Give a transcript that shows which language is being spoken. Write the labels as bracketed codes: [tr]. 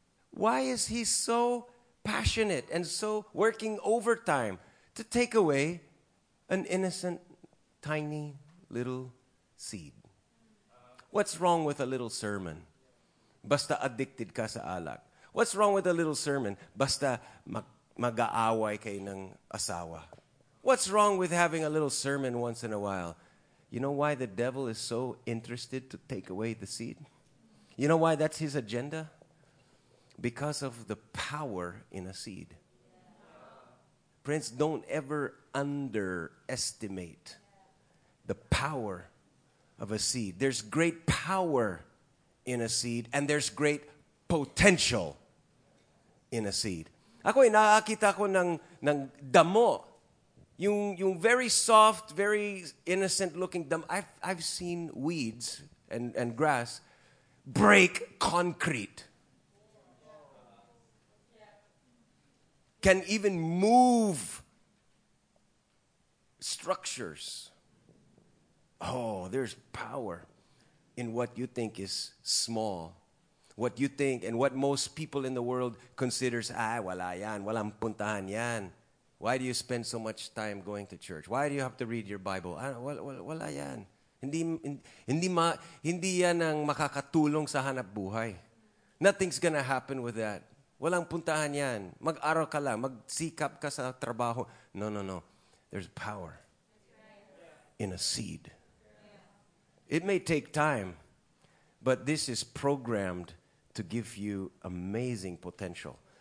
[en] Why is he so passionate and so working overtime to take away an innocent, tiny, little seed. What's wrong with a little sermon? [tl] Basta addicted ka sa alak. [en] What's wrong with a little sermon? [tl] Basta mag-aaway kayo ng asawa. [en] What's wrong with having a little sermon once in a while? You know why the devil is so interested to take away the seed? You know why that's his agenda? Because of the power in a seed. Prince, don't ever underestimate the power of a seed. There's great power in a seed, and there's great potential in a seed. [tl] Ako ay nakakita ko ng damo. [en] Yung very soft, very innocent-looking damo. I've seen weeds and grass break concrete. Can even move structures. Oh, there's power in what you think is small. What you think and what most people in the world considers, ay, [tl] wala yan, walang puntahan yan. [en] Why do you spend so much time going to church? Why do you have to read your Bible? [tl] Ah, wala yan. Hindi yan ang makakatulong sa hanap buhay. [en] Nothing's gonna happen with that. [tl] Walang puntahan yan. Mag-aral ka lang. Mag-sikap ka sa trabaho. [en] No, no, no. There's power in a seed. It may take time, but this is programmed to give you amazing potential.